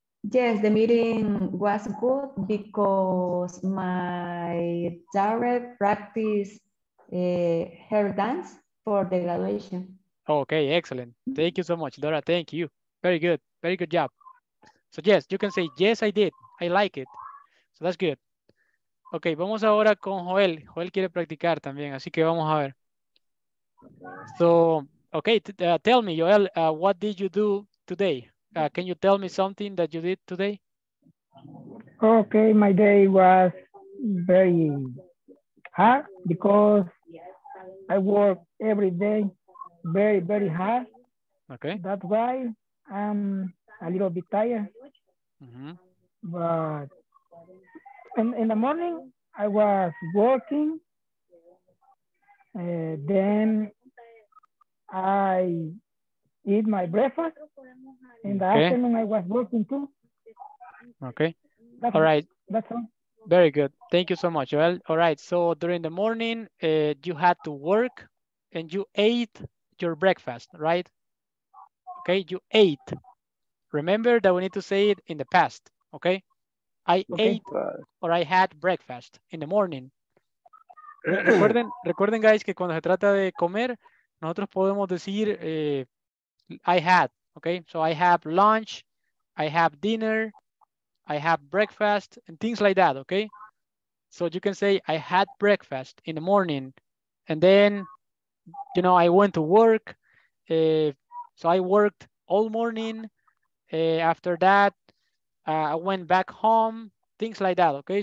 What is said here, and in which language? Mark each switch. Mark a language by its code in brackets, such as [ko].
[en] Yes, the meeting was good because my daughter practiced her dance for the graduation. Okay, excellent. Thank you so much, Dora. Thank you. Very good. Very good job. So yes, you can say, yes, I did. I like it. So that's good. Okay, [es] vamos ahora con Joel. Joel quiere practicar también, así que vamos a ver. [en] So, okay, tell me, Joel, what did you do today? Can you tell me something that you did today? Okay, my day was very hard because I work every day very, very hard. Okay. That's why I'm a little bit tired. Mm-hmm. But in the morning, I was working. Then I eat my breakfast. In the afternoon, I was working too. Okay. That's all right. That's all. Very good. Thank you so much, Joel. All right. So during the morning, you had to work and you ate your breakfast, right? Okay. You ate. Remember that we need to say it in the past. Okay. I ate or I had breakfast in the morning. [es] recuerden, guys, que cuando se trata de comer, nosotros podemos decir, [en] I had, [es] okay? [en] So I have lunch, I have dinner, I have breakfast, and things like that, okay? So you can say, I had breakfast in the morning, and then, you know, I went to work. So I worked all morning. After that, I went back home, things like that, okay?